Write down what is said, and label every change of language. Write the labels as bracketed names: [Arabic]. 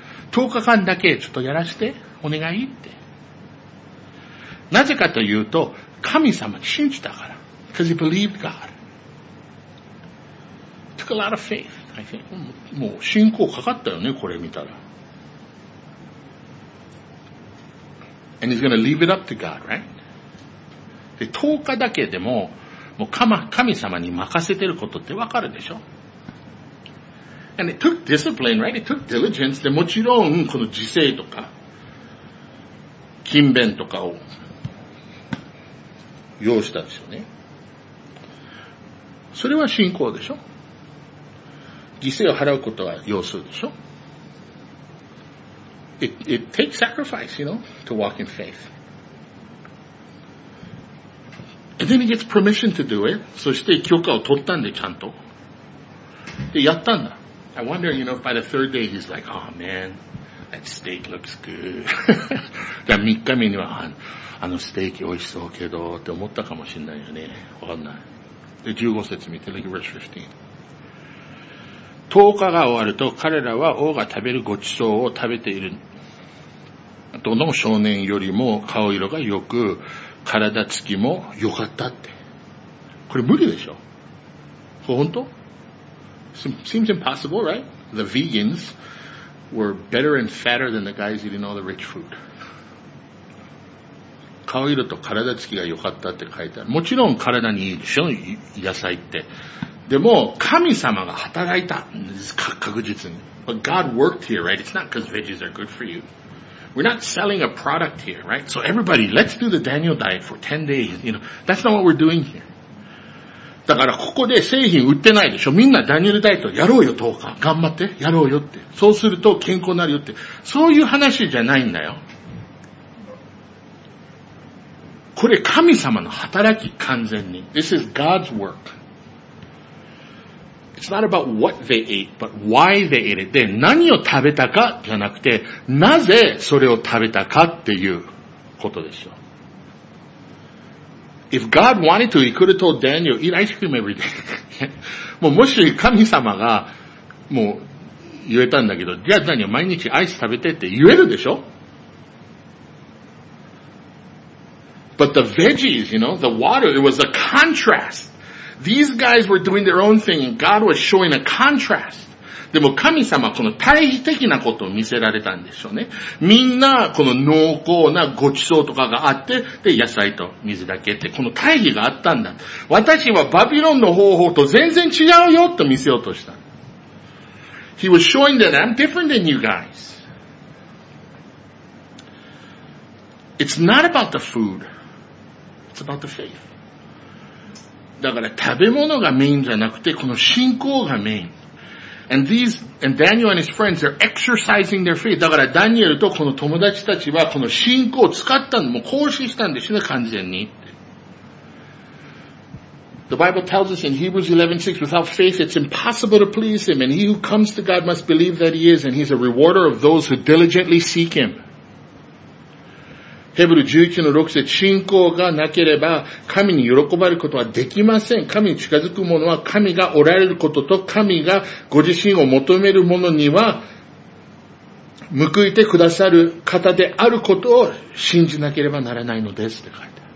[Japanese] 10日間だけちょっとやらして、お願いって。なぜかというと、神様信じたから。 [English] Because he believed God. Took a lot of faith, I think. [Japanese] もう信仰かかったよね、これ見たら。 [English] And he's gonna leave it up to God, right? [Japanese] で、10日だけでも、もう神様に任せてることってわかるでしょ? [English] And it took discipline, right? It took diligence. [Japanese] で、もちろん、この自制とか、勤勉とかを、要したでしょうね。それは信仰でしょ?犠牲を払うことは要するでしょ? [English] It takes sacrifice, you know, to walk in faith. And then he gets permission to do it. [Japanese] そして許可を取ったんで、ちゃんと。で、やったんだ。 [English] I wonder, you know, by the third day, he's like, oh man, that steak looks good. [Japanese] じゃあ、3日目には、あのステーキ美味しそうけど、って思ったかもしれないよね。わかんない。で、15節見て、 [English] like verse 15。 [Japanese] 10日が終わると彼らは王が食べるごちそうを食べている。どの少年よりも顔色が良く、体つきも良かったって。これ無理でしょ?これ本当? [English] Seems impossible, right? The vegans were better and fatter than the guys eating all the rich food. [Japanese] 顔色と体つきが良かったって書いてある。もちろん体にいいでしょ?野菜って。でも神様が働いた確実に。 [English] But God worked here, right? It's not because veggies are good for you. We're not selling a product here, right? So everybody, let's do the Daniel diet for 10 days. You know, that's not what we're doing here. [Japanese] だからここで製品売ってないでしょ。みんなダニエルダイエットやろうよ10日。頑張ってやろうよって。そうすると健康になるよって。そういう話じゃないんだよ。これ神様の働き、完全に。 [English] This is God's work. It's not about what they ate, but why they ate it. で、 [Japanese] 何を食べたかじゃなくて、なぜそれを食べたかっていうことですよ。 [English] If God wanted to, he could have told Daniel, eat ice cream every day. [Japanese] もうもし神様が、もう言えたんだけど、じゃあ何、毎日アイス食べてって言えるでしょ。 [English] But the veggies, you know, the water, it was a contrast. These guys were doing their own thing and God was showing a contrast. [Japanese] でも神様はこの対比的なことを見せられたんでしょうね。みんなこの濃厚なごちそうとかがあって、で、野菜と水だけって、この対比があったんだ。私はバビロンの方法と全然違うよと見せようとした。 [English] He was showing that I'm different than you guys. It's not about the food. It's about the faith. [Japanese] だから食べ物がメインじゃなくてこの信仰がメイン。 [English] And these, and Daniel and his friends are exercising their faith. [Japanese] だからダニエルとこの友達たちはこの信仰を使ったの、もう行使したんですね、完全に。 [English] The Bible tells us in Hebrews 11:6, without faith it's impossible to please him, and he who comes to God must believe that he is, and he's a rewarder of those who diligently seek him. [Japanese] ヘブル 11-6 節、信仰がなければ神に喜ばれることはできません。神に近づく者は神がおられることと神がご自身を求める者には報いてくださる方であることを信じなければならないのですって書いてある。